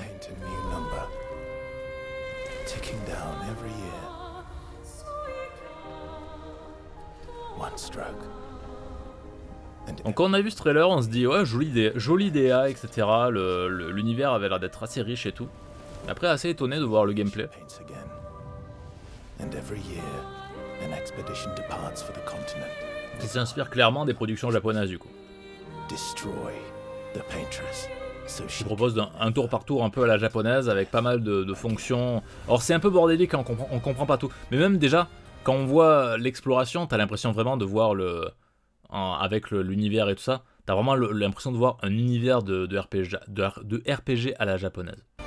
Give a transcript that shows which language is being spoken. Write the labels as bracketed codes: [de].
[en] Paint a new number, ticking down every year. One stroke. [fr] Donc quand on a vu ce trailer, on se dit ouais jolie DA, etc. L'univers avait l'air d'être assez riche et tout. Mais après assez étonné de voir le gameplay. [en] Paints again. And every year, an expedition departs for the continent. [fr] Qui s'inspire clairement des productions japonaises du coup. Je propose un tour par tour un peu à la japonaise avec pas mal de fonctions. Or c'est un peu bordélique, on comprend pas tout. Mais même déjà, quand on voit l'exploration, t'as l'impression vraiment de voir avec l'univers et tout ça, t'as vraiment l'impression de voir un univers de RPG à la japonaise.